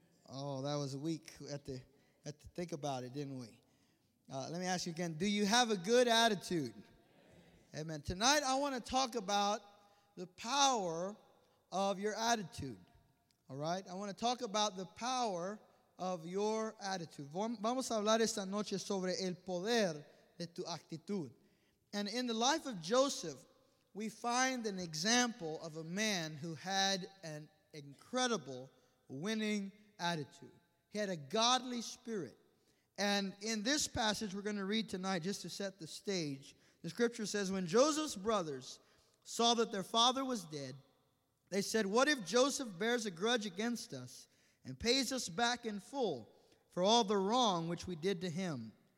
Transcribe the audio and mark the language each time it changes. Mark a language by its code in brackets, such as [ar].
[en] Oh, that was a week. We had to think about it, didn't we? Let me ask you again. Do you have a good attitude? Amen. Tonight, I want to talk about the power of your attitude. All right? I want to talk about the power of your attitude. [es] Vamos a hablar esta noche sobre el poder de tu actitud. [en] And in the life of Joseph, we find an example of a man who had an incredible winning attitude. He had a godly spirit. And in this passage we're going to read tonight, just to set the stage, the scripture says, when Joseph's brothers saw that their father was dead, they said, what if Joseph bears a grudge against us and pays us back in full for all the wrong which we did to him?